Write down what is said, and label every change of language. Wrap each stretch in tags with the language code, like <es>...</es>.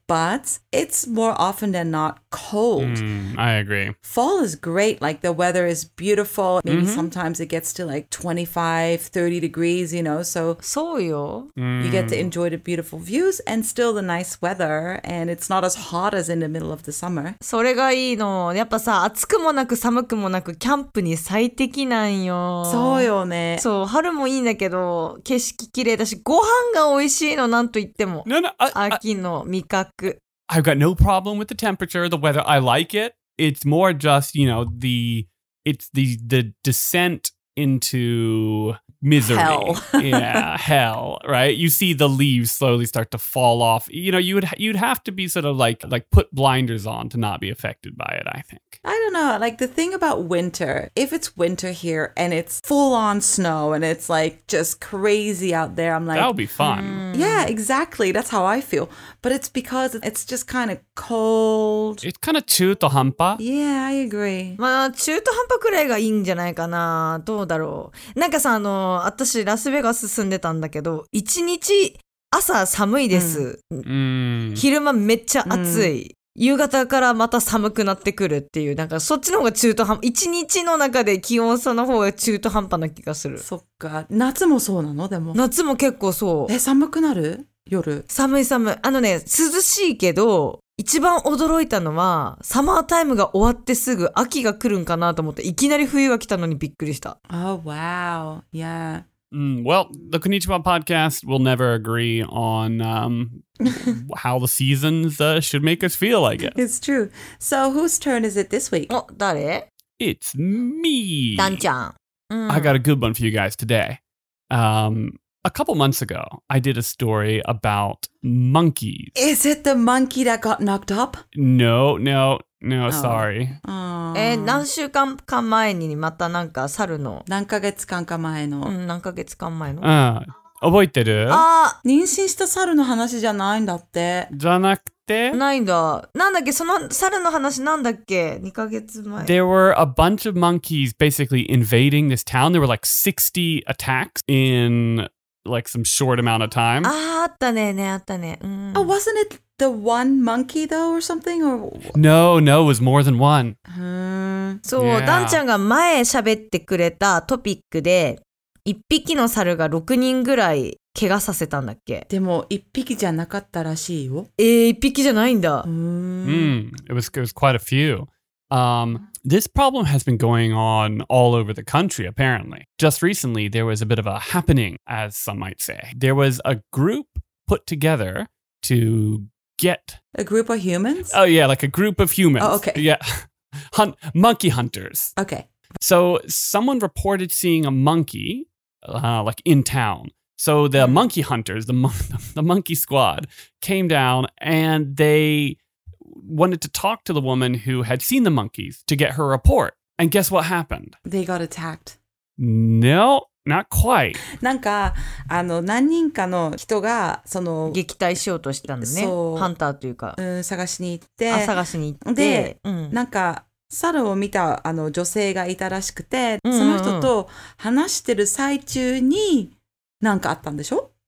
<en>But it's more often than not cold. I agree. Fall is great. Like the weather is beautiful. Maybe sometimes it gets to like 25, 30 degrees, you know. So you get to enjoy the beautiful views and still the nice weather. And it's not as hot as in the middle of the summer.</en> <ja>それがいいの。やっぱさ、暑くもなく寒くもなくキャンプに最適なんよ。そうよね。そう、春もいいんだけど、景色綺麗だし、ご飯が美味しいの、なんといっても。秋の味覚。</ja> <en>I've got no problem with the temperature, the weather. I like it. It's more just, you know, the descent into misery. Hell. Yeah, hell, right? You see the leaves slowly start to fall off. You know, you'd have to be sort of like put blinders on to not be affected by it, I think. I don't know. Like the thing about winter, if it's winter here and it's full on snow and it's like just crazy out there, I'm like, that'll be fun. Yeah, exactly. That's how I feel. But it's because it's just kind of cold. It's kind of</en> <ja>中途半端.</ja> <en>Yeah, I agree.</en> <ja>まあ中途半端くらいがいいんじゃないかな。どうだろう。なんかさ、あの、私ラスベガス住んでたんだけど、一日朝寒いです。昼間めっちゃ暑い。夕方からまた寒くなってくるっていう、なんかそっちの方が中途半端、一日の中で気温差の方が中途半端な気がする。そっか。夏もそうなの？でも。夏も結構そう。え、寒くなる？夜。寒い寒い。あのね、涼しいけど、一番驚いたのは、サマータイムが終わってすぐ秋が来るんかなと思って、いきなり冬が来たのにびっくりした。</ja> <en>Oh, wow. Yeah. Well, the Konnichiwa Podcast will never agree on how the seasons should make us feel, I guess. It's true. So, whose turn is it this week?</en> <ja>Oh, 誰?</ja> <en>It's me. Dan-chan. I got a good one for you guys today. A couple months ago, I did a story about monkeys. Is it the monkey that got knocked up? No, oh. Sorry. Oh.</en> <ja>何週間か前にまたなんか猿の。何ヶ月間か前の。うん、何ヶ月間前の。うん。覚えてる？あ、妊娠した猿の話じゃないんだって。じゃなくて？ないんだ。なんだっけ、その猿の話なんだっけ ?2 ヶ月前。</ja> <en>There were a bunch of monkeys basically invading this town. There were like 60 attacks in... like some short amount of time.</en> <ja>Ah, あったね、ね、あったね。</ja> <en>Oh, wasn't it the one monkey though or something? Or... No, it was more than one.</en> <ja>そう、ダンちゃんが前喋ってくれたトピックで、一匹の猿が6人ぐらい怪我させたんだっけ？でも一匹じゃなかったらしいよ。一匹じゃないんだ。</ja> <en>It was quite a few. This problem has been going on all over the country, apparently. Just recently, there was a bit of a happening, as some might say. There was a group put together to get... A group of humans? Oh, yeah, like a group of humans. Oh, okay. Yeah. Monkey hunters. Okay. So someone reported seeing a monkey, like, in town. So the monkey hunters, the monkey squad, came down and they... wanted to talk to the woman who had seen the monkeys to get her report. And guess what happened? They got attacked. No, not quite.</en> <ja>なんか、あの、何人かの人が、その、撃退しようとしたんだね。そう。ハンターというか。探しに行って。あ、探しに行って。で、なんか、猿を見た、あの、女性がいたらしくて、その人と話してる最中に、なんかあったんでしょ？</ja>